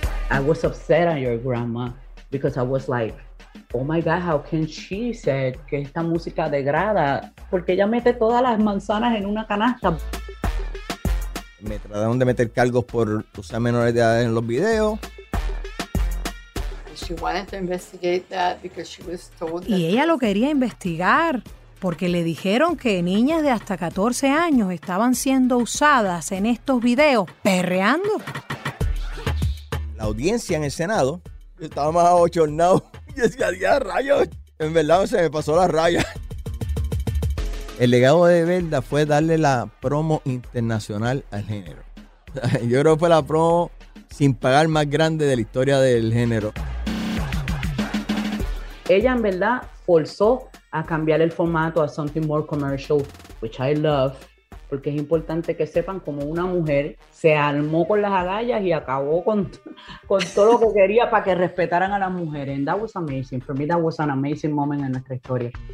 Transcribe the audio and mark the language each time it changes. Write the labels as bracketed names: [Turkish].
[English] I was upset on your grandma because I was like, oh my God, how can she say [Spanish] que esta música degrada? Porque ella mete todas las manzanas en una canasta. Me trataron de meter cargos por usar menores de edad en los videos. [English] She wanted to investigate that because she was told that [Spanish] y ella lo quería investigar porque le dijeron que niñas de hasta 14 años estaban siendo usadas en estos videos perreando. La audiencia en el Senado estaba más abochornado. Y decía, ¡ya, rayos! En verdad se me pasó la raya. El legado de Belda fue darle la promo internacional al género. Yo creo que fue la promo sin pagar más grande de la historia del género. Ella en verdad forzó a cambiar el formato a [English] something more commercial, which I love, [Spanish] porque es importante que sepan cómo una mujer se armó con las agallas y acabó con todo lo que quería para que respetaran a las mujeres. [English] And that was amazing. For me, that was an amazing moment in [Spanish] nuestra historia.